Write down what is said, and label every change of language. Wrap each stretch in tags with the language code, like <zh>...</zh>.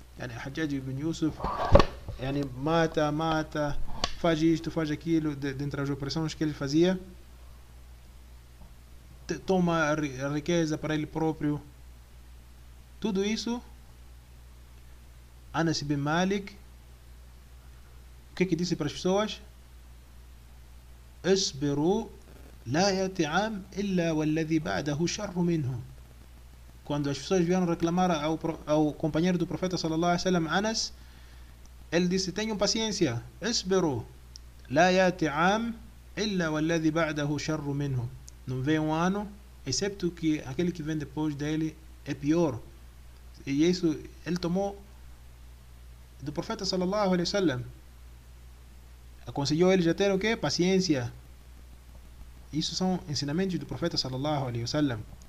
<pt>Hajjaj ibn Yusuf, mata, mata, faz isto, faz aquilo, dentre as opressões que ele fazia. Toma a riqueza para ele próprio. Tudo isso, Anas ibn Malik, o que disse para as pessoas? Esperu.</pt> <ar>لا يأتي عام إلا والذي بعده شر منه.</ar> <pt>Quando as pessoas vieram reclamar ao companheiro do profeta sallallahu alaihi wasallam, Anas, ele disse: tenham paciência, esperou.</pt> <ar>لا يأتي عام إلا والذي بعده شر منه.</ar> <pt>Não vem um ano, excepto que aquele que vem depois dele é pior. E isso ele tomou do profeta sallallahu alaihi wasallam. Aconselhou ele já ter o quê? Paciência. Isso são ensinamentos do profeta sallallahu alaihi wasallam.</pt>